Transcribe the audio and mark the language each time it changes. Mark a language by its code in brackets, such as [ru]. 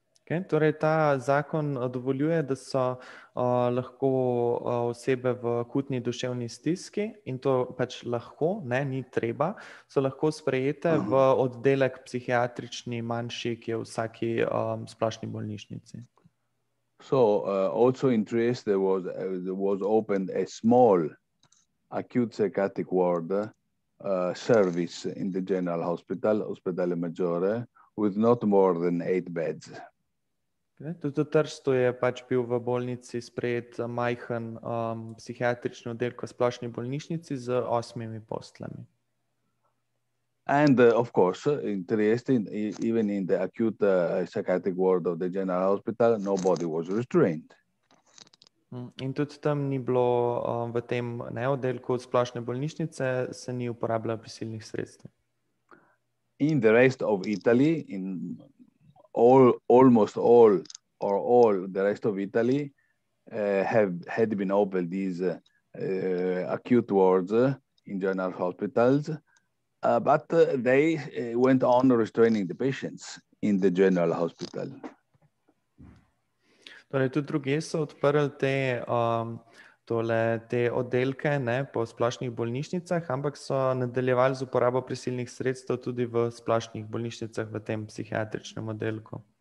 [sl] Okay, torej ta zakon dovoljuje, da so lahko osebe v akutni duševni stiski in to pač lahko, ne, ni treba, so lahko sprejete v oddelek psihiatrični manjši, ki je v vsaki splošni bolnišnici. [en] So also in Trieste was opened a small acute psychiatric ward service in the general hospital, Ospedale Maggiore, with not more than 8 beds. [sl] Okay. Tudi Trsto je pač bil v bolnici sprejet majhen psihiatrični oddelek v splošni bolnišnici z 8 postlami. [en] And of course, in Trieste, even in the acute psychiatric ward of the general hospital, nobody was restrained. [sl] In tudi tam ni bilo v tem oddelku splošne bolnišnice, se ni uporabljalo prisilnih sredstev. [en] In the rest of Italy, in almost all the rest of Italy, had been opened these acute wards in general hospitals, but they went on restraining the patients in the general hospital. [sl] Torej, tudi drugi so odprli te oddelke, ne, po splošnih bolnišnicah, ampak so nadaljevali z uporabo prisilnih sredstev tudi v splošnih bolnišnicah v tem psihiatričnem oddelku.